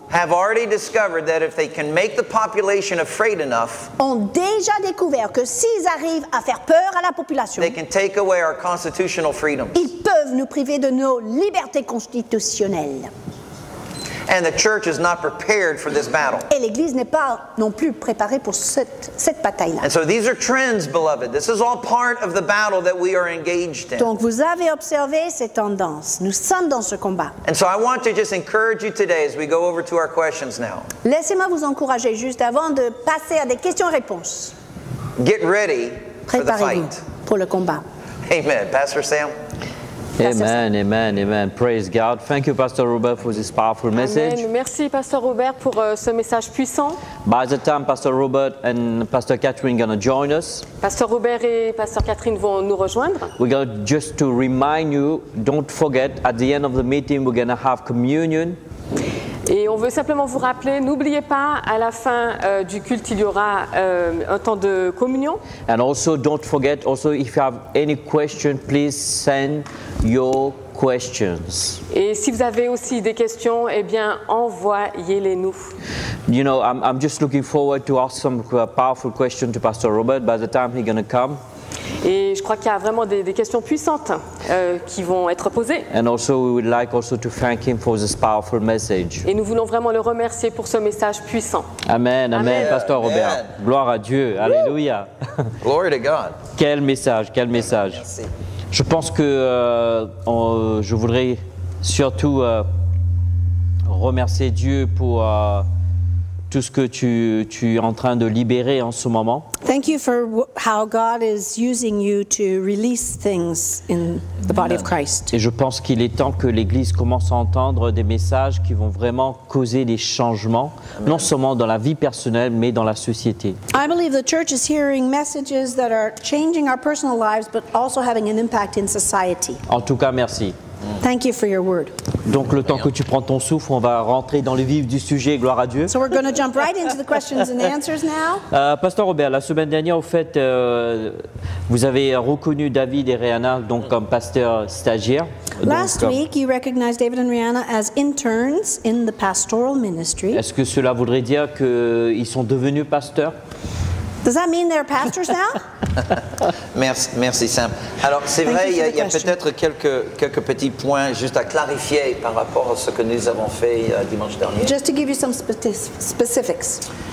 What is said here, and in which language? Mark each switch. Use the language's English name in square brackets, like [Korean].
[English] have already discovered that if they can make the population afraid enough, [French] ont déjà découvert que s'ils arrivent à faire peur à la population, [English] they can take away our constitutional freedoms. [French] Ils peuvent nous priver de nos libertés constitutionnelles. [English] And the church is not prepared for this battle. [French] Et l'Église n'est pas non plus préparée pour cette bataille-là. [English] And so these are trends, beloved. This is all part of the battle that we are engaged in. [French] Donc vous avez observé ces tendances. Nous sommes dans ce combat. [English] And so I want to just encourage you today as we go over to our questions now. [French] Laissez-moi vous encourager juste avant de passer à des questions-réponses. [English] Get ready [French] Préparez-vous [English] for the fight. [French] Pour le combat. [English] Amen. Pastor Sam. Amen, amen, amen. Praise God. Thank you, Pastor Robert, for this powerful message. [French] Amen. Merci, Pastor Robert, pour ce message puissant. [English] By the time Pastor Robert and Pastor Catherine are going to join us, [French] Pastor Robert et Pastor Catherine vont nous rejoindre. [English] We're going to just to remind you, don't forget, at the end of the meeting, we're going to have communion. [French] Et on veut simplement vous rappeler, n'oubliez pas, à la fin du culte, il y aura un temps de communion. [English] And also, don't forget, also, if you have any question, please send your questions. [French] Et si vous avez aussi des questions, eh bien, envoyez-les nous. [English] You know, I'm just looking forward to ask some powerful questions to Pastor Robert by the time he's going to come. [French] Et je crois qu'il y a vraiment des questions puissantes qui vont être posées. [English] And also we would like also to thank him for this powerful message. [French] Et nous voulons vraiment le remercier pour ce message puissant. Amen, amen, amen. Pasteur Robert. Amen. Gloire à Dieu. Woo! Alléluia. [English] Glory to God. [French] Quel message, quel message. Merci. Je pense que je voudrais surtout remercier Dieu pour tout ce que tu es en train de libérer en ce moment. [English] Thank you for how God is using you to release things in the body of Christ. [French] Et je pense qu'il est temps que l'Église commence à entendre des messages qui vont vraiment causer des changements, Amen. Non seulement dans la vie personnelle, mais dans la société. [English] I believe the church is hearing messages that are changing our personal lives, but also having an impact in society. [French] En tout cas, merci. [English] Thank you for your word. [French] Donc le temps que tu prends ton souffle, on va rentrer dans le vif du sujet, gloire à Dieu. [English] So we're going to jump right into the questions and answers now. [French] Pasteur Robert, la semaine dernière, au fait, vous avez reconnu David et Rihanna donc comme pasteur stagiaire. [English] Last week, you recognized David and Rihanna as interns in the pastoral ministry. [French] Est-ce que cela voudrait dire que ils sont devenus pasteurs? [English] Does that mean they're pastors now? [French] Merci, merci Sam. Alors, c'est [English] Thank [French] vrai, il y a peut-être quelques petits points juste à clarifier par rapport à ce que nous avons fait dimanche dernier. [English] Just to give you some specifics.